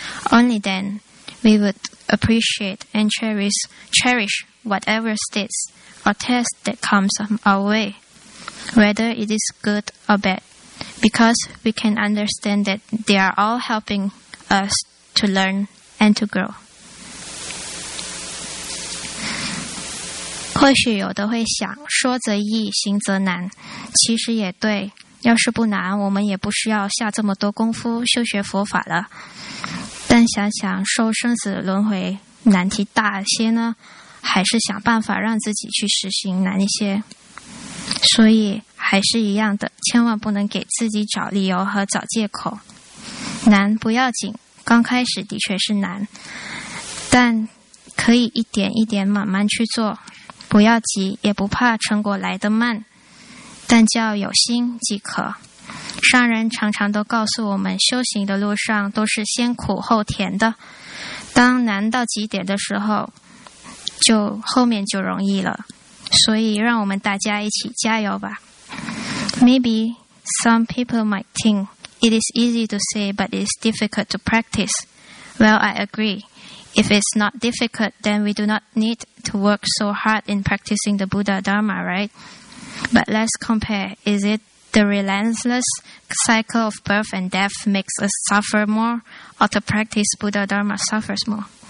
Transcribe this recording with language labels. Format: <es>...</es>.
<en>Only then we would appreciate and cherish whatever states or tests that comes our way, whether it is good or bad, because we can understand that they are all helping us to learn and to grow.</en> <zh>或许有的会想，说则易，行则难。其实也对，要是不难，我们也不需要下这么多功夫修学佛法了。但想想受生死轮回难题大些呢，还是想办法让自己去实行难一些。所以还是一样的，千万不能给自己找理由和找借口。难不要紧，刚开始的确是难，但可以一点一点慢慢去做。不要急，也不怕成果来得慢，但叫有心即可。上人常常都告诉我们，修行的路上都是先苦后甜的，当难到极点的时候，就后面就容易了。所以让我们大家一起加油吧。</zh> <en>Maybe some people might think it is easy to say but it's difficult to practice. Well, I agreeIf it's not difficult, then we do not need to work so hard in practicing the Buddha Dharma, right? But let's compare. Is it the relentless cycle of birth and death makes us suffer more, or to practice Buddha Dharma suffers more?</en>